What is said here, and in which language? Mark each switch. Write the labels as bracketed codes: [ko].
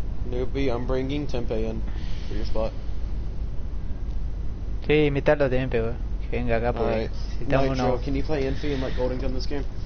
[en] Newbie, I'm bringing Tempe in for your spot. [es] Sí, invitarlo también, pero que venga acá porque necesitamos uno. [en] Nitro, can you play Infi and like Golden Gun this game?